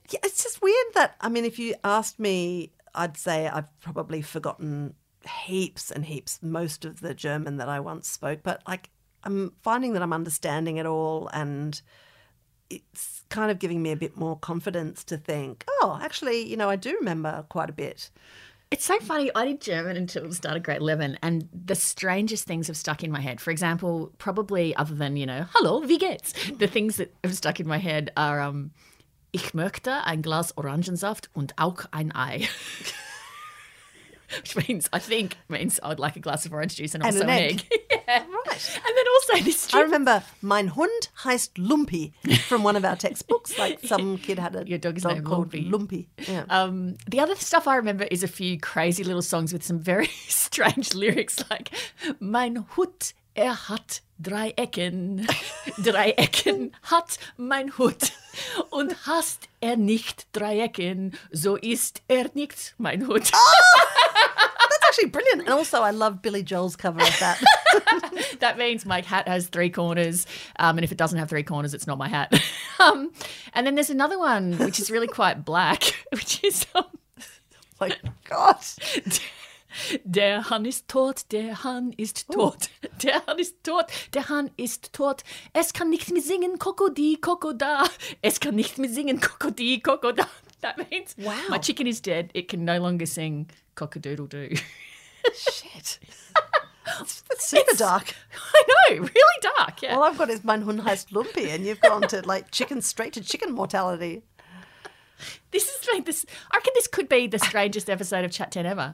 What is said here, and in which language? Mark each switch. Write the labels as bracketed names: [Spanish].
[English] Yeah, it's just weird that, I mean, if you asked me, I'd say I've probably forgotten heaps and heaps, most of the German that I once spoke, but like I'm finding that I'm understanding it all and it's kind of giving me a bit more confidence to think, oh, actually, you know, I do remember quite a bit. It's so funny. I did German until the start of grade 11 and the strangest things have stuck in my head. For example, probably other than, you know, [German] hallo, wie geht's? [English] The things that have stuck in my head are, [German] ich möchte ein Glas Orangensaft und auch ein Ei. [English] Which means I'd like a glass of orange juice and also an egg. Yeah. Right. And then also this trip. I remember [German] mein Hund heißt Lumpy [English] from one of our textbooks. Like some kid had a dog name called Lumpy. Yeah. The other stuff I remember is a few crazy little songs with some very strange lyrics like [German] mein Hut hat Dreiecken, Dreiecken hat mein Hut und hast nicht Dreiecken, so ist nicht mein Hut. [English] Actually brilliant. And also I love Billy Joel's cover of that. That means my hat has three corners. And if it doesn't have three corners, it's not my hat. And then there's another one, which is really quite black, which is oh my God. [German] Der Hahn ist tot, der Hahn ist tot. Ooh. Der Hahn ist tot, der Hahn ist tot. Es kann nicht mehr singen, Kokodi, Kokoda. Es kann nicht mehr singen, Kokodi, Kokoda. [English] That means my chicken is dead. It can no longer sing cock-a-doodle-doo. Shit. That's super dark. I know, really dark. Yeah. All I've got is [German] mein Hund heißt Lumpy [English] and you've gone to like chicken straight to chicken mortality. I reckon this could be the strangest episode of Chat 10 ever.